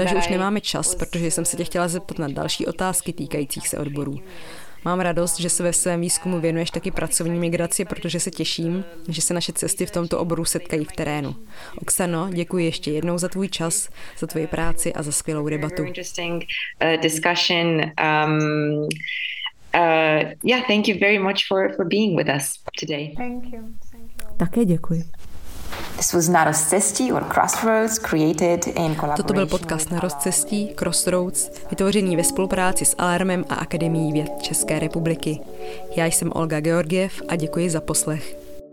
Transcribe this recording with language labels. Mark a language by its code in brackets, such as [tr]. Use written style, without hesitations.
[cs] Škoda, že už nemáme čas, protože jsem se tě chtěla zeptat na další otázky týkajících se odborů. Mám radost, že se ve svém výzkumu věnuješ taky pracovní migraci, protože se těším, že se naše cesty v tomto oboru setkají v terénu. Oksano, děkuji ještě jednou za tvůj čas, za tvoji práci a za skvělou debatu. [en] Thank you very much for being with us today. [cs] Také děkuji. [en] This was Narost Cestí or Crossroads created in collaboration. [cs] Toto byl podcast Narost Cestí Crossroads, vytvořený ve spolupráci s Alarmem a Akademií věd České republiky. Já jsem Olga Georgiev a děkuji za poslech.